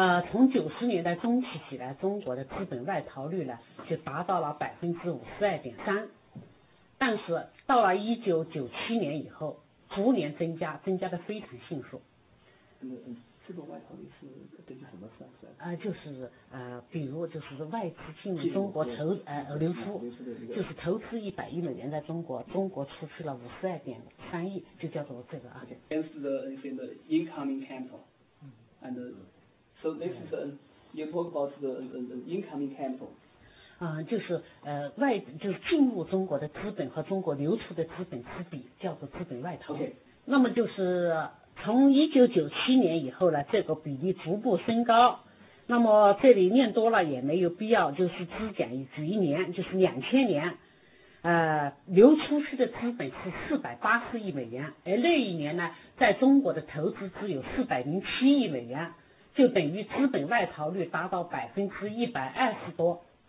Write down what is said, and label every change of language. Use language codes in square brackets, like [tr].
[zh] 从90年代中期起来，中国的资本外逃率呢就达到了52.3%，但是到了1997年以后，逐年增加，增加的非常迅速。那资本外逃率是根据什么算出来的？就是比如就是外资进入中国投流出，就是投资100亿美元在中国，中国出去了52.3亿，就叫做这个啊。 [en] Against the incoming capital, and so this is you talk about the incoming capital. [zh] 就是外就是进入中国的资本和中国流出的资本之比叫做资本外逃。 [en] Okay. [zh] 那么就是从1997年以后呢，这个比例逐步升高。那么这里念多了也没有必要，就是只讲举一年，就是2000年，流出去的资本是480亿美元，而那一年呢，在中国的投资只有407亿美元，就等于资本外逃率达到120%多。